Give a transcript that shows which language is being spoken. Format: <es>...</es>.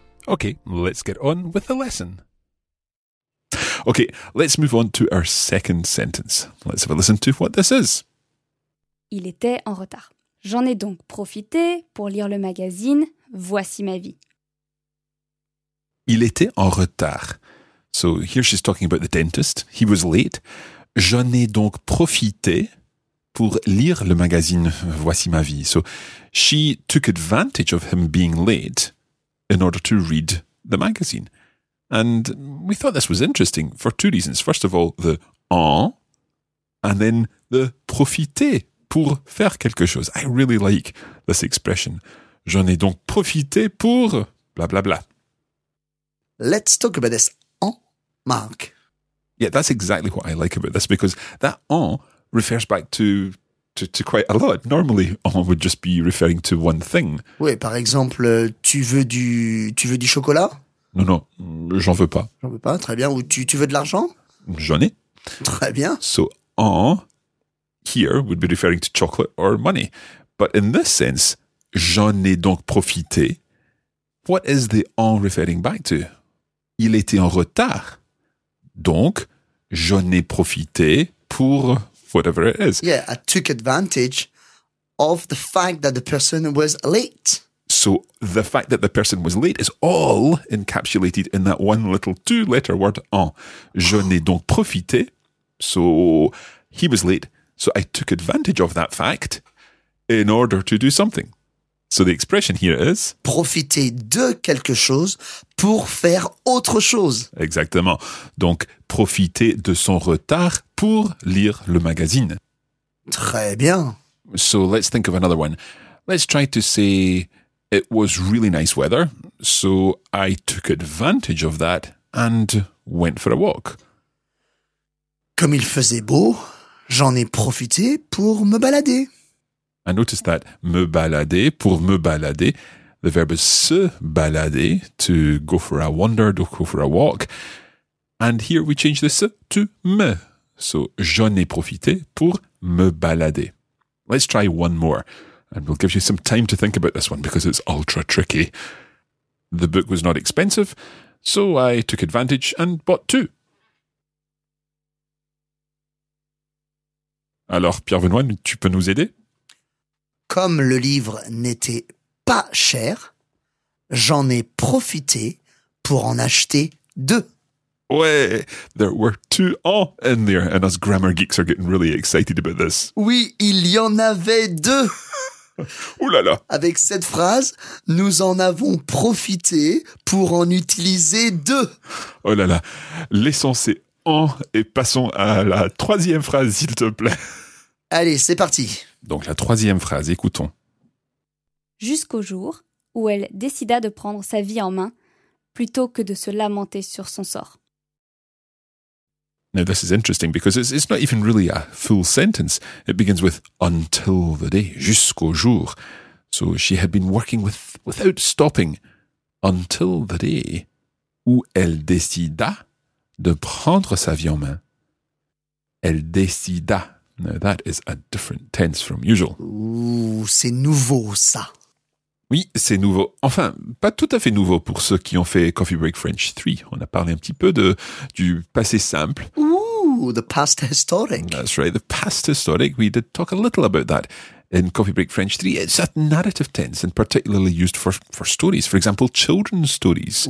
<en>Okay, let's get on with the lesson. Okay, let's move on to our second sentence. Let's have a listen to what this is.</en> <fr>Il était en retard. J'en ai donc profité pour lire le magazine Voici ma vie. Il était en retard.</fr> <en>So here she's talking about the dentist. He was late.</en> <fr>J'en ai donc profité pour lire le magazine Voici ma vie.</fr> <en>So she took advantage of him being late in order to read the magazine. And we thought this was interesting for two reasons. First of all, the en, and then the profiter,</en> <fr>pour faire quelque chose.</fr> <en>I really like this expression.</en> <fr>J'en ai donc profité pour blah, blah, blah.</fr> <en>Let's talk about this en, Mark. Yeah, that's exactly what I like about this, because that en refers back to quite a lot. Normally, on would just be referring to one thing.</en> <fr>Oui, par exemple, tu veux du chocolat? Non, j'en veux pas. J'en veux pas, très bien. Ou tu veux de l'argent? J'en ai. Très bien.</fr> <en>So, en, here, would be referring to chocolate or money. But in this sense,</en> <fr>j'en ai donc profité.</fr> <en>What is the en referring back to?</en> <fr>Il était en retard. Donc, j'en ai profité pour</fr> <en>whatever it is. Yeah, I took advantage of the fact that the person was late. So the fact that the person was late is all encapsulated in that one little two-letter word, en.</en> <fr>Je n'ai donc profité.</fr> <en>So he was late. So I took advantage of that fact in order to do something. So the expression here is...</en> <fr>Profiter de quelque chose pour faire autre chose. Exactement. Donc, profiter de son retard pour lire le magazine. Très bien.</fr> <en>So let's think of another one. Let's try to say... It was really nice weather, so I took advantage of that and went for a walk.</en> <fr>Comme il faisait beau, j'en ai profité pour me balader.</fr> <en>I noticed that me balader, pour me balader, the verb is se balader, to go for a wander, to go for a walk. And here we change the se to me.</en> <fr>So j'en ai profité pour me balader.</fr> <en>Let's try one more. And we'll give you some time to think about this one because it's ultra tricky. The book was not expensive, so I took advantage and bought two.</en> <fr>Alors, Pierre Benoît, tu peux nous aider? Comme le livre n'était pas cher, j'en ai profité pour en acheter deux.</fr> <en>Ouais, there were two en in there, and us grammar geeks are getting really excited about this.</en> <fr>Oui, il y en avait deux. Ouh là là. Avec cette phrase, nous en avons profité pour en utiliser deux. Oh là là, laissons ces en et passons à la troisième phrase, s'il te plaît. Allez, c'est parti. Donc la troisième phrase, écoutons. Jusqu'au jour où elle décida de prendre sa vie en main plutôt que de se lamenter sur son sort.</fr> <en>Now this is interesting because it's not even really a full sentence. It begins with until the day, jusqu'au jour. So she had been working without stopping until the day</en> <fr>où elle décida de prendre sa vie en main. Elle décida.</fr> <en>Now that is a different tense from usual.</en> <fr>Ooh, c'est nouveau ça. Oui, c'est nouveau. Enfin, pas tout à fait nouveau pour ceux qui ont fait Coffee Break French 3. On a parlé un petit peu de du passé simple.</fr> <en>Ooh, the past historic. That's right, the past historic. We did talk a little about that in Coffee Break French 3. It's a narrative tense and particularly used for stories. For example, children's stories.</en>